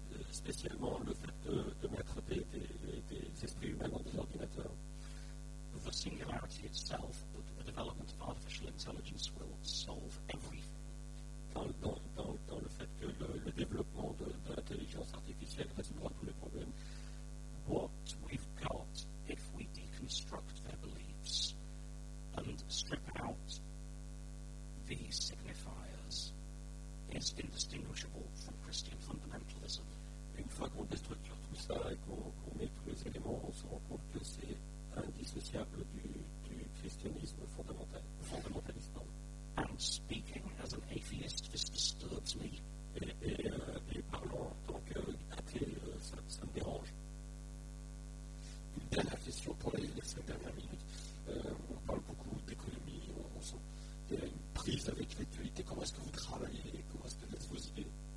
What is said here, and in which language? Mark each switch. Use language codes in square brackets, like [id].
[fr] Spécialement le fait de mettre des esprits humains dans des ordinateurs. [en] The singularity itself, the development of artificial intelligence will solve everything. [fr] Dans le fait que le développement de l'intelligence artificielle résoudra tous les problèmes. [en] What we've got if we deconstruct their beliefs and strip out the signifiers is indistinguishable from Christian fundamentalism. [fr] Une fois qu'on déstructure tout ça et qu'on met tous les éléments, on se rend compte que c'est indissociable du christianisme fondamentaliste. [en] And speaking as an atheist, this disturbs me. [fr] Et parlant en tant qu'athée, ça me dérange. Une dernière question pour les cinq dernières minutes. On parle beaucoup d'économie, on sent qu'il y a une prise avec l'actualité. Comment est-ce que vous travaillez? Comment est-ce que vous êtes vos idées?